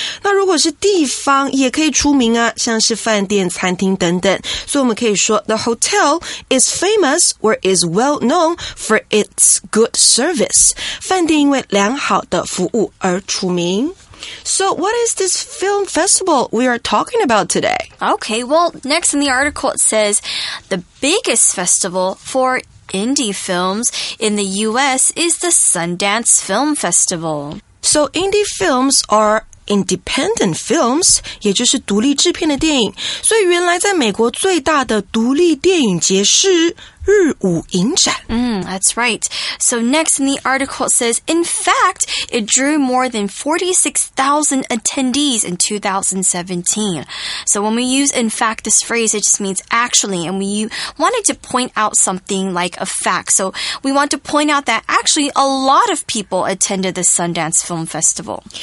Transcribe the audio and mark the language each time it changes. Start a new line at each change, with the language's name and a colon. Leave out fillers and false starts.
Chinese: 那如果是地方也可以出名啊，像是饭店、餐厅等等。所以我们可以说
English: The hotel is famous or is well-known for its good service.
Chinese: 饭店因为良好的服务而出名。
English: So what is this film festival we are talking about today? Okay, well, next in the article it says, the biggest festival for indie films in the U.S. is the Sundance Film Festival. So indie films are independent films,
Chinese: 也就是独立制片的电影。所以原来在美国最大的独立电影节是日舞影展。
English: That's right. So next in the article says, in fact, it drew more than 46,000 attendees in 2017. So when we use in fact this phrase, it just means actually, and we wanted to point out something like a fact. So we want to point out that actually a lot of people attended the Sundance Film Festival.